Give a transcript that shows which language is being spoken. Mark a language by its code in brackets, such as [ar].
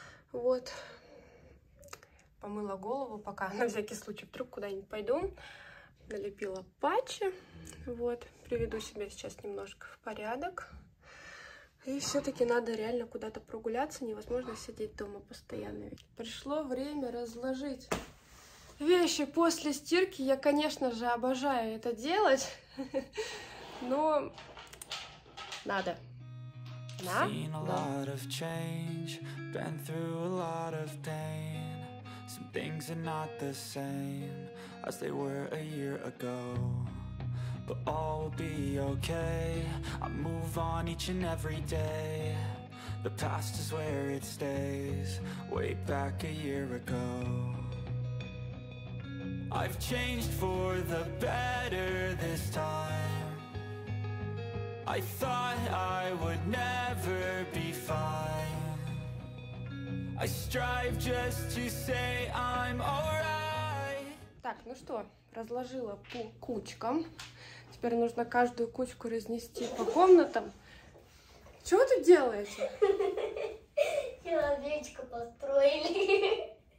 [ru] Вот, помыла голову, пока на всякий случай вдруг куда-нибудь пойду, налепила патчи, вот, приведу себя сейчас немножко в порядок. И все-таки надо реально куда-то прогуляться, невозможно сидеть дома постоянно. Ведь пришло время разложить вещи после стирки. Я, конечно же, обожаю это делать. Но надо. [en] Seen a lot of change, been through a lot of pain. Some things are not the same as they were a year ago. But all will be okay. I move on each and every day. The past is where it stays, way back a year ago. I've changed for the better this time. I thought I would never be fine. I strive just to say I'm alright. [ru] Так, ну что, разложила по кучкам. Теперь нужно каждую кучку разнести по комнатам. Чего ты делаешь? Человечка построили.